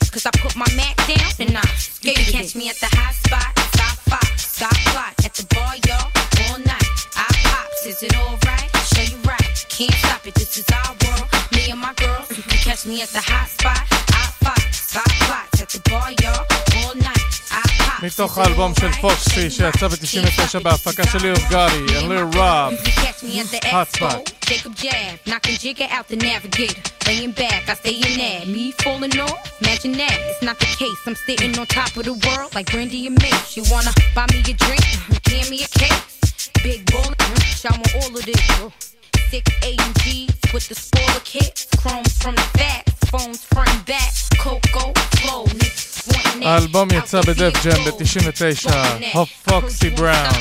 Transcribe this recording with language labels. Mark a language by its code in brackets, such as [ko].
[en] Cause I put my mat down and I skated it. You can catch me at the hot spot, stop fox, stop fly. At the bar, y'all, all night. I pops, is it alright? Show you right, can't stop it, this is our world. Me and my girl, you can catch me at the hot spot, I fox, stop fly. At the bar, y'all, all night. [he] מתוך האלבום של פוקסי שיצא ב-99 בהפקה של ליאור גארי and ליאור ראב hot spot. [en] Jacob Jab, knocking Jigga out the navigator. Laying back, I stay in that. Me falling off? Imagine that. It's not the case. I'm sitting on top of the world like Brandy and Mace. You wanna buy me a drink? Hand me a case. Big bowling, show me all of this. 6 A and G with the spoiler kit. Chrome from the facts. phones front and back. Coco flow. [he] האלבום יצא בדף ג'ם ב-99, הופ פוקסי בראון.